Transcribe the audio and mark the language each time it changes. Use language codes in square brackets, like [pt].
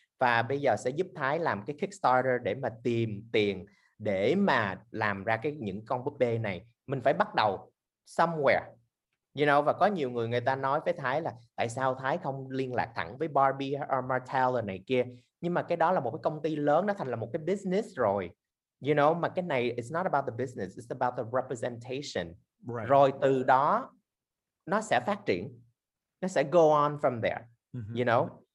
[vi] Và bây giờ sẽ giúp Thái làm cái Kickstarter để mà tìm tiền để mà làm ra cái những con búp bê này. Mình phải bắt đầu somewhere. [en] You know, [vi] và có nhiều người ta nói với Thái là tại sao Thái không liên lạc thẳng với Barbie or Mattel này kia. Nhưng mà cái đó là một cái công ty lớn, nó thành là một cái business rồi. [en] You know, [vi] mà cái này, [en] it's not about the business, it's about the representation. Right. [vi] Rồi từ đó, nó sẽ phát triển. Nó sẽ [en] go on from there. You know?